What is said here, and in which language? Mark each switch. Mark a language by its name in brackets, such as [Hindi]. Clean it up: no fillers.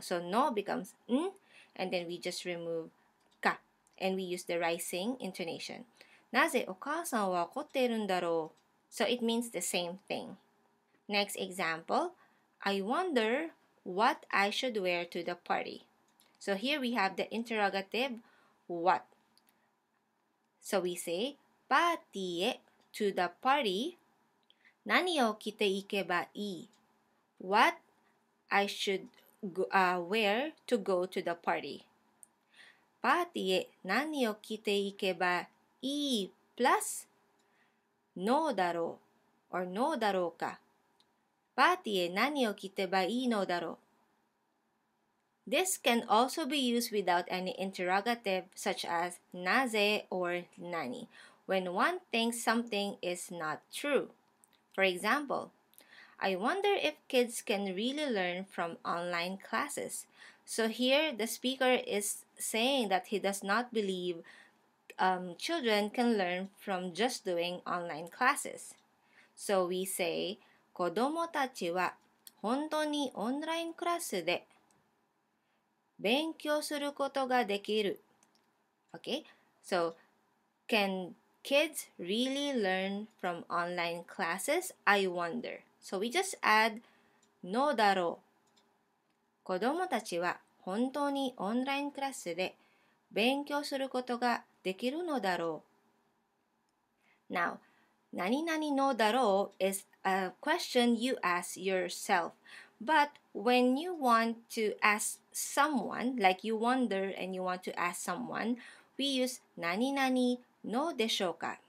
[English] So no becomes ん and then we just remove か and we use the rising intonation. [Japanese] なぜお母さんは怒っているんだろう? [English] So it means the same thing. Next example. I wonder what I should wear to the party. So here we have the interrogative what. So we say [Japanese] パーティーへ [English] to the party [Japanese] 何を着ていけばいい? [English] What I should wear to go to the party. [Japanese] パーティーへ何を着ていけばいい [English] plus [Japanese] のだろう [English] or [Japanese] のだろうか。パーティーへ何を着てばいいのだろう。 [English] This can also be used without any interrogative such as なぜ or 何 when one thinks something is not true. For example, I wonder if kids can really learn from online classes. So here the speaker is saying that he does not believe children can learn from just doing online classes. So we say [Japanese] 子供たちは本当にオンラインクラスで勉強することができる。 [English] Okay, so can kids really learn from online classes? I wonder. So we just add [Japanese] のだろう。子供たちは本当にオンラインクラスで勉強することができるのだろう。 [English] Now, 何々のだろう is a question you ask yourself. But when you want to asksomeone, like you wonder and you want to ask someone, we use 何々のでしょうか?